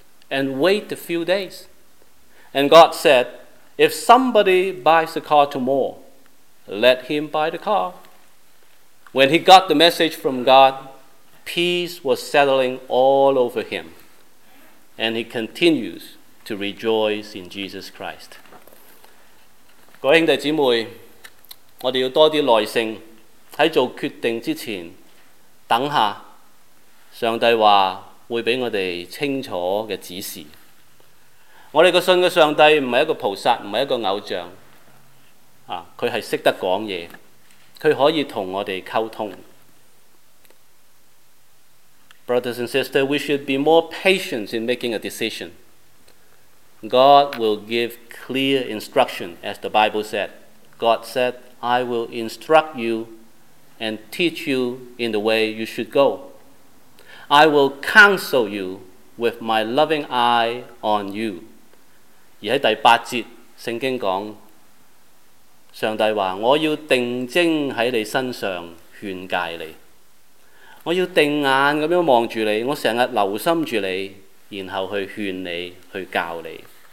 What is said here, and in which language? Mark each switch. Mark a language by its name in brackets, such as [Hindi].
[English] And wait a few days. And God said, if somebody buys a car tomorrow, let him buy the car. When he got the message from God, peace was settling all over him. And he continues to rejoice in Jesus Christ. [Chinese] 各位兄弟姐妹，我们要多点耐性，在做决定之前，等下，上帝说会给我们清楚的指示。我们信的上帝不是一个菩萨，不是一个偶像，他是懂得讲话，他可以跟我们沟通。 [English] Brothers and sisters, we should be more patient in making a decision. God will give clear instruction, as the Bible said. God said, I will instruct you and teach you in the way you should goI will counsel you with my loving eye on you. [Chinese] 而在第八節聖經說，上帝說我要定睛在你身上勸戒你，我要定眼地望著你，我經常留心著你，然後去勸你，去教你。